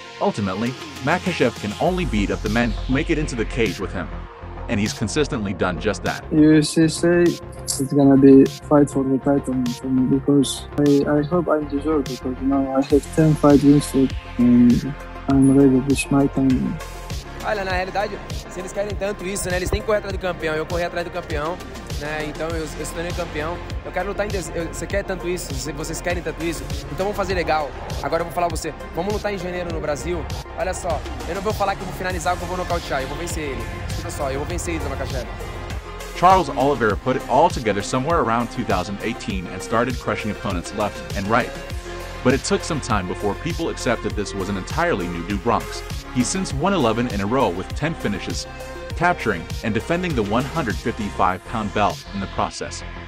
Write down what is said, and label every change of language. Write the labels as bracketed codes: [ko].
[en] Ultimately, Makhachev can only beat up the men who make it into the cage with him, and he's consistently done just that. UFC say it's gonna be fight for the title for me, because I hope I deserve, because you know I have 10 fight wins streak and I'm ready to reach my time. [pt] Olha, na realidade, se eles querem tanto isso, né, eles têm que correr atrás do campeão. Eu corri atrás do campeão, né? Então eu sou tornei campeão. Eu quero lutar em dezembro. Você quer tanto isso? Vocês querem tanto isso? Então vamos fazer legal. Agora eu vou falar pra você. Vamos lutar em janeiro no Brasil? Olha só, eu não vou falar que eu vou finalizar, que eu vou nocautear. Eu vou vencer ele. Olha só, eu vou vencer ele, Makhachev. [en] Charles Oliveira put it all together somewhere around 2018 and started crushing opponents left and right. But it took some time before people accepted this was an entirely new Bronx. He's since won 11 in a row with 10 finishes, capturing and defending the 155-pound belt in the process.